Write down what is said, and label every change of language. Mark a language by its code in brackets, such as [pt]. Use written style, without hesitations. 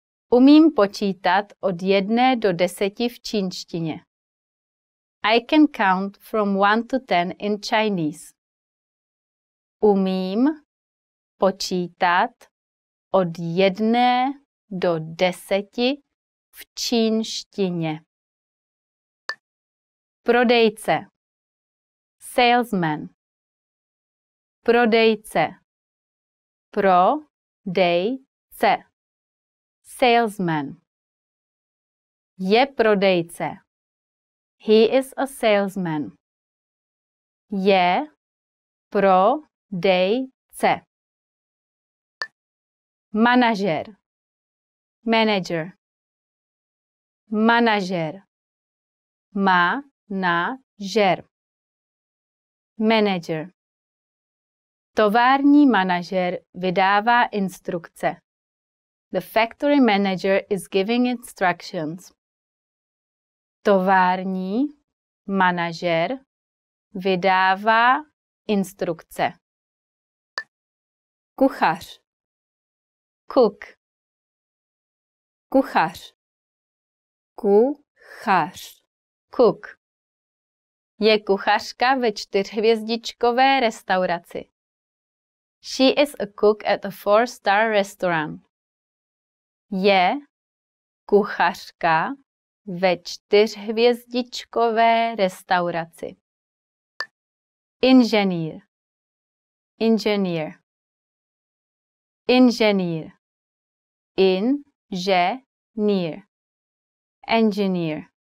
[cs] Umím počítat od 1 do 10 v čínštině. [en] I can count from 1 to 10 in Chinese. [cs] Umím počítat od 1 do 10 v čínštině. Prodejce. Salesman. Prodejce. Prodejce. Salesman. Je prodejce. [en] He is a salesman. [cs] Je prodejce. Manažer. Manager. Manažer. Manažer. Manager. Tovární manažer vydává instrukce. [en] The factory manager is giving instructions. [cs] Tovární manažer vydává instrukce. Kuchař. Cook. Kuchař. Kuchař. Cook. Je kuchařka ve čtyřhvězdičkové restauraci. [en] She is a cook at a 4-star restaurant. [cs] Je kuchařka ve čtyřhvězdičkové restauraci. Inženýr. Inženýr. Inženýr. Inženýr. Engineer.